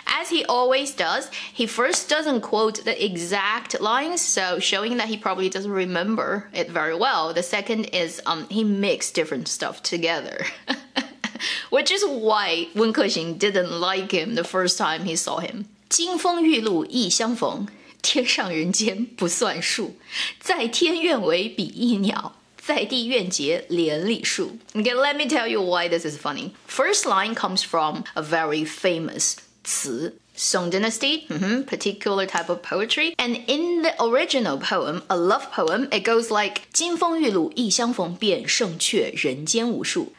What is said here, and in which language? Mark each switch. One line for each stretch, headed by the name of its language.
English: As he always does, he first doesn't quote the exact lines, so showing that he probably doesn't remember it very well. The second is he mixed different stuff together. Which is why Wen Keqing didn't like him the first time he saw him.
Chinese: 金风玉露一相逢，天上人间不算数。在天愿为比翼鸟，在地愿结连理树。
English: Okay, let me tell you why this is funny. First line comes from a very famous 词. Song Dynasty, particular type of poetry. And in the original poem, a love poem, it goes like
Chinese: 金风玉露一相逢，便胜却人间无数。